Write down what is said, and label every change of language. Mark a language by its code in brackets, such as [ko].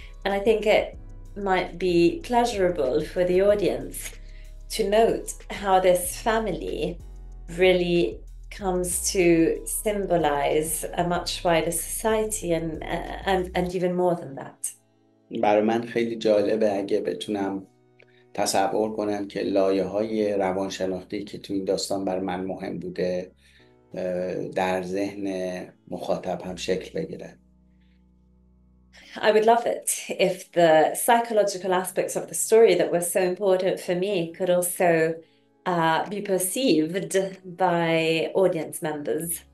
[en] And I think it might be pleasurable for the audience to note how this family really comes to symbolize a much wider society and even more than that. [fa] برای من خیلی جالبه اگه بتونم تصور کنم که لایه‌های روانشناختی که تو این داستان برای من مهم بوده در ذهن مخاطب هم شکل بگیره. [en] I would love it if the psychological aspects of the story that were so important for me could also be perceived by audience members.